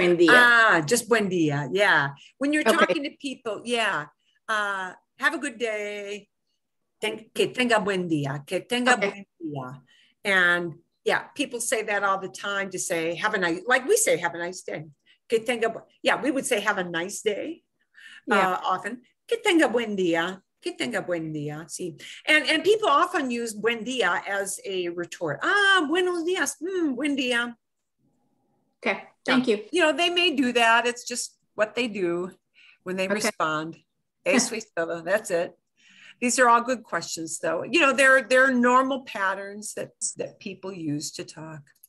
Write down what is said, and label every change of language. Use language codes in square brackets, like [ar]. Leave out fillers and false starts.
[en] Ah, just [es] buen día, [en] yeah. When you're talking to people, yeah. Have a good day. [es] Que tenga buen día. Que tenga buen día. [en] And yeah, people say that all the time to say, have a nice, like we say, have a nice day. [es] Que tenga, [en] we would say, have a nice day. Yeah. Often, [es] que tenga buen día, que tenga buen día, sí. [en] And people often use [es] buen día [en] as a retort. [es] Ah, buenos días, buen día. [en] Okay, thank you. You know, they may do that. It's just what they do when they respond. That's it. These are all good questions, though. You know, they're normal patterns that people use to talk.